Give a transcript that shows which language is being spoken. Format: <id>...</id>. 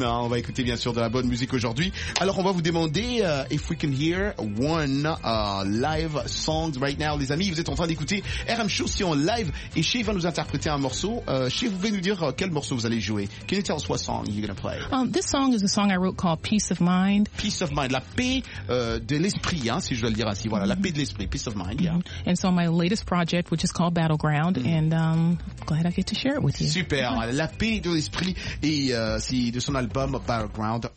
<fr>On va écouter, bien sûr, de la bonne musique aujourd'hui. Alors, on va vous demander</fr> <en>if we can hear one live song right now.</en> <fr>Les amis, vous êtes en train d'écouter RM Show, si on live. Et Shea va nous interpréter un morceau. Shea, vous pouvez nous dire quel morceau vous allez jouer?</fr> <en>Can you tell us what song you're going to play? This song is a song I wrote called Peace of Mind.</en> <fr>Peace of Mind. La paix de l'esprit, hein, si je dois le dire ainsi. Voilà, la paix de l'esprit. Peace of Mind, yeah. Mm-hmm.</fr> <en>And so my latest project, which is called Battleground, and glad I get to share it with you. Super. Yeah.</en> <fr>La paix de l'esprit et c'est de son album Battleground.</fr>